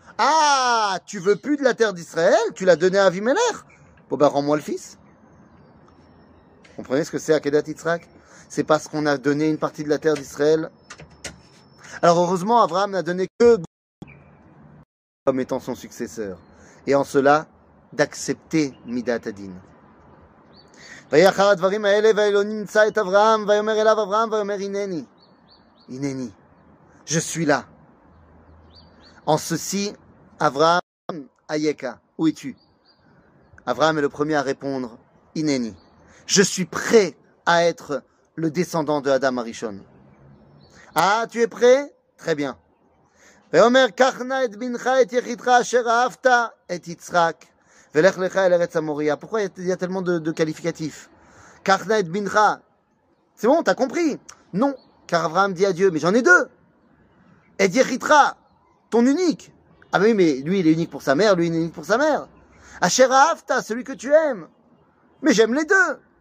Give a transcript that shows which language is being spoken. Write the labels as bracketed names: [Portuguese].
[French] Ah, tu veux plus de la terre d'Israël? Tu l'as donné à Avimelech? Bon ben rends-moi le fils. Vous comprenez ce que c'est Akedat Yitzhak? C'est parce qu'on a donné une partie de la terre d'Israël. Alors heureusement, Abraham n'a donné que comme étant son successeur. Et en cela, d'accepter Midat Adin. [Hebrew] ויהי אחר הדברים האלה והאלוהים נמצא את אברהם ויאמר אליו אברהם ויאמר הנני הנני [French] je suis là en ceci [Hebrew] אברהם אייכה [French] où es-tu [Hebrew] אברהם [French] est le premier à répondre [Hebrew] הנני [French] je suis prêt à être le descendant de [Hebrew] אדם הראשון [French] ah tu es prêt très bien [Hebrew] ויאמר קח נא את בנך את יחידך אשר אהבת את יצחק ולך לך אל ארץ המוריה. [French] Pourquoi il y a tellement de qualificatifs? Karna et Bincha. C'est bon, t'as compris? Non. Car Abraham dit à Dieu, mais j'en ai deux. Et Yeritra, ton unique. Ah ben oui, mais lui, il est unique pour sa mère, lui, il est unique pour sa mère. Asher Ahavta, celui que tu aimes. Mais j'aime les deux.